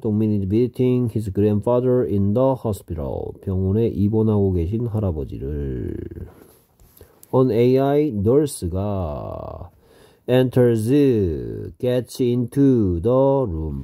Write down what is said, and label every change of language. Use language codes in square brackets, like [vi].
[en] 동민 is visiting his grandfather in the hospital. [ko] 병원에 입원하고 계신 할아버지를. [en] An AI nurse가 enters, gets into the room.